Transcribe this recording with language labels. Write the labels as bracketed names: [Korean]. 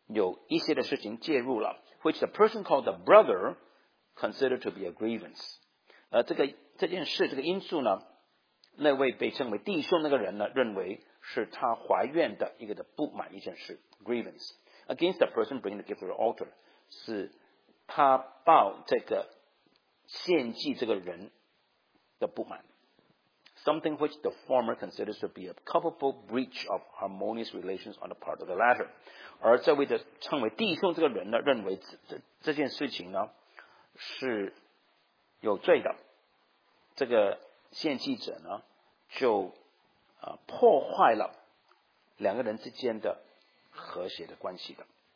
[Chinese] 两个人之间的关系有一些的事情介入了, [English] which the person called the brother considered to be a grievance. [Chinese] 这件事,这个因素呢, 那位被称为弟兄那个人呢, 认为是他怀怨的一个的不满一件事, [English] grievance. Against the person bringing the gift to the altar, [Chinese] 是他抱这个献祭这个人的不满。 [English] Something which the former considers to be a culpable breach of harmonious relations on the part of the latter. [Chinese] 而这位的称为弟兄这个人呢, 认为这件事情呢, 是有罪的。这个献祭者呢, 就破坏了两个人之间的和谐的关系的。